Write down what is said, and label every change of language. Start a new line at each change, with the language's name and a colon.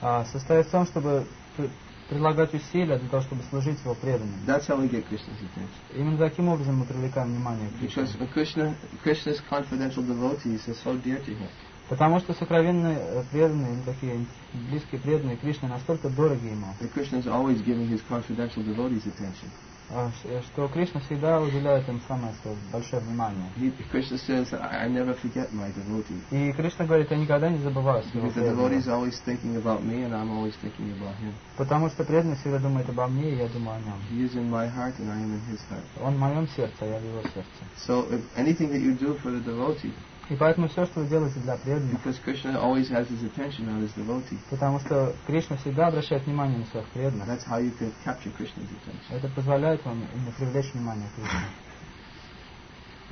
Russian: Состоит в том, чтобы прилагать усилия для того, чтобы служить его преданным.
English: That's how we get Krishna's attention.
Russian: Именно таким образом мы привлекаем внимание Кришны.
English: Because Krishna's confidential devotees are so dear to him.
Russian: Потому что сокровенные преданные, такие близкие преданные Кришне, настолько дороги ему.
English: And Krishna is always giving his confidential devotees attention.
Russian: Что Кришна всегда уделяет им самое большое внимание.
English: Krishna says, I never forget my devotee.
Russian: И Кришна говорит, я никогда не забываю своего преданного.
English: Because the devotee is always thinking about me, and I'm always thinking about him.
Russian: Потому что преданный всегда думает обо мне, и я думаю о нем.
English: He is in my heart, and I am in his heart.
Russian: Он в моем сердце, а я в его сердце.
English: So anything that you do for the devotee.
Russian: И поэтому все, что вы делаете для преданных,
English: because Krishna always has his attention on his devotee.
Russian: Потому что Кришна всегда обращает внимание на своих преданных.
English: That's how you can capture Krishna's attention.
Russian: Это позволяет вам привлечь внимание Кришны.